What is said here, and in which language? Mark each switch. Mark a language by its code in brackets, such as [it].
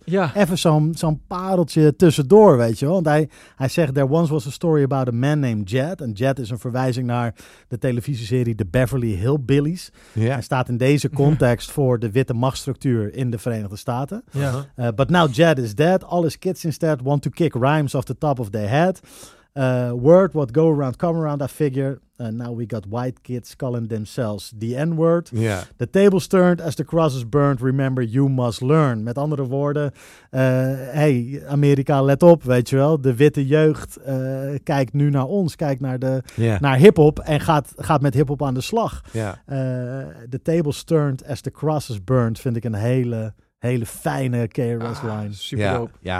[nl] Ja. Even zo'n pareltje tussendoor, weet je wel. Want hij zegt, [en] there once was a story about a man named Jed. [nl] En Jed is een verwijzing naar de televisieserie The Beverly Hillbillies. Ja. Hij staat in deze context voor de witte machtsstructuur in de Verenigde Staten. Ja. [en] But now Jed is dead. All his kids instead want to kick rhymes off the top of their head. Word what go around, come around, I figure. Now we got white kids calling themselves the N-word. Yeah. The tables turned as the crosses burned. Remember, you must learn. [nl] Met andere woorden, hey Amerika, let op, weet je wel. De witte jeugd kijkt nu naar ons. Kijkt naar naar hip-hop en gaat met hip-hop aan de slag. [en] Yeah. The tables turned as the crosses burned [nl] vind ik een hele fijne KRS-line. [en] Ah, super dope.